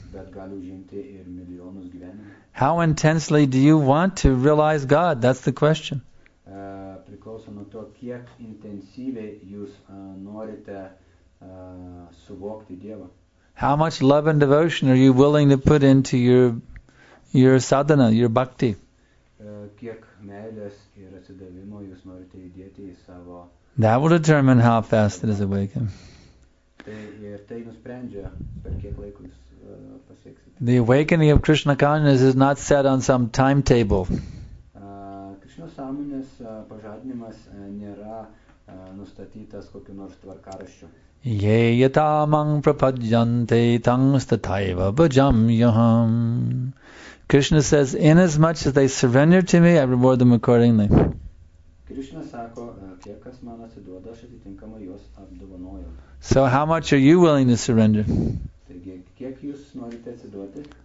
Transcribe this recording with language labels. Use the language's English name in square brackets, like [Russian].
[Lithuanian] Bet gali užimti ir milijonus gyvenimų. [English] How intensely do you want to realize God? That's the question. [Lithuanian] Priklauso nuo to, kiek intensyviai jūs norite suvokti Dievą. [English] How much love and devotion are you willing to put into your sadhana, your bhakti? [Lithuanian] Kiek meilės ir atsidavimo jūs norite įdėti į savo. [English] That will determine how fast it is awakened. [Lithuanian] Tai ir tai nusprendžia, per kiek laiko jūs pasieksite. [English] The awakening of Krishna consciousness is not set on some timetable. [Lithuanian] Krishna sąmonės pažadinimas nėra nustatytas kokiu nors tvarkaraščiu. [Sanskrit] Ye yatamang prapadyante tangstataiva bhajam yaham. [English] Krishna says, inasmuch as they surrender to me, I reward them accordingly. [Lithuanian] Krishna sako, kiek kas man atsiduoda, aš atitinkamai juos apdovanoju. [English] So how much are you willing to surrender? [Lithuanian] Taigi, kiek jūs norite atsiduoti?